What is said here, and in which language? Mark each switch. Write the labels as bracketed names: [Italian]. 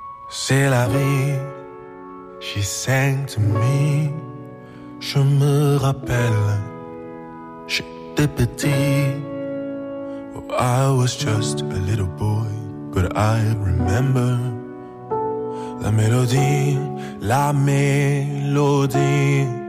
[French] C'est la vie, [English] she sang to me. [French] Je me rappelle, j'étais petit. [English] I was just a little boy, but I remember [French] la mélodie, la mélodie.